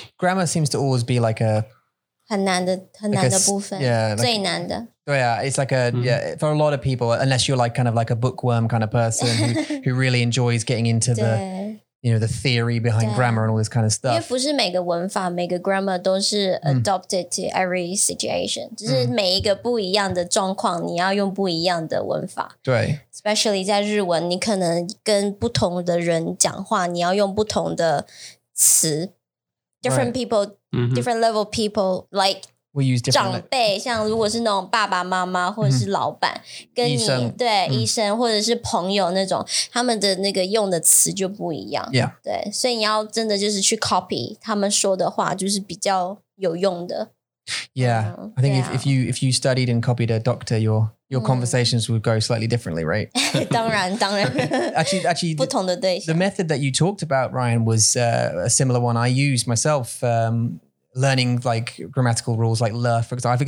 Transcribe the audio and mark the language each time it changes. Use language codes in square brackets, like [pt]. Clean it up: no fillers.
[en] Grammar seems to always be like a... [zh] 很难的部分,最难的。对啊, [en] like, it's like a, yeah, for a lot of people, unless you're like kind of like a bookworm kind of person who really enjoys getting into the... you know, the theory behind grammar and all this kind of stuff. [zh] 因为不是每个文法,每个 grammar 都是 [en] adopted to every situation. [zh] 就是每一个不一样的状况,你要用不一样的文法. 对。 [en] Especially [zh] 在日文,你可能跟不同的人讲话, 你要用不同的词. [en] Different right. people, different level people, like... We use different... [zh] 长辈, 像如果是那种爸爸妈妈, 或者是老板, 跟你, 对, 医生, 或者是朋友那种, 他们的那个用的词就不一样, [en] yeah. [zh] 对, 所以你要真的就是去 copy 他们说的话, 就是比较有用的, [en] yeah. I think yeah. if you studied and copied a doctor, your conversations would go slightly differently, right? [zh] 当然, 当然, [en] actually [zh] 不同的对象, [en] the method that you talked about, Ryan, was a similar one I used myself, learning like grammatical rules like le, for example.